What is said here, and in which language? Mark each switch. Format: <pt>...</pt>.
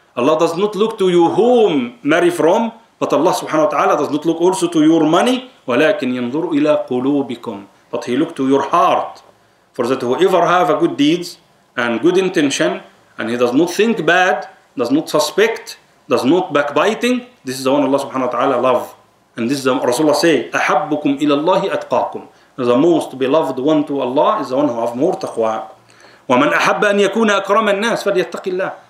<en>Allah does not look to you whom marry from. But Allah subhanahu wa ta'ala does not look also to your money,</en> <ar>ولكن ينظر إلى قلوبكم.</ar> <en>But he looked to your heart. For that whoever have a good deeds and good intention, and he does not think bad, does not suspect, does not backbiting, this is the one Allah subhanahu wa ta'ala love. And this is the Rasulullah say,</en> <ar>أحبكم إلى الله أتقاكم.</ar> <en>The most beloved one to Allah is the one who have more taqwa.</en> <ar>ومن أحب أن يكون أكرم الناس فليتق الله.</ar>